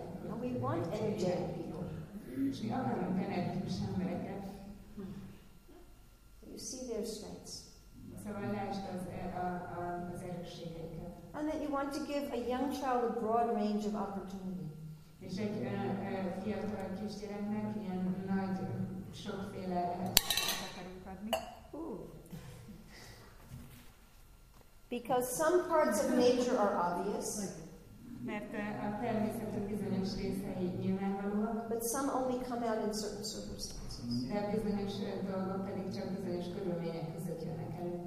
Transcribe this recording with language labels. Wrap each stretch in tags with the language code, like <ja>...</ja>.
<en>And we want energetic people. So you see their strengths. And that you want to give a young child a broad range of opportunities.</en> <hu>És egy fiatal kisgyereknek ilyen nagy, sokféle akarunk adni.</hu> <en>Because some parts of nature are obvious.</en> <hu>Mert a természetünk bizonyos részei nyilvánvalóak.</hu> <en>But some only come out in certain circumstances.</en> <hu>De bizonyos dolgok pedig csak bizonyos körülmények között jönnek elő.</hu>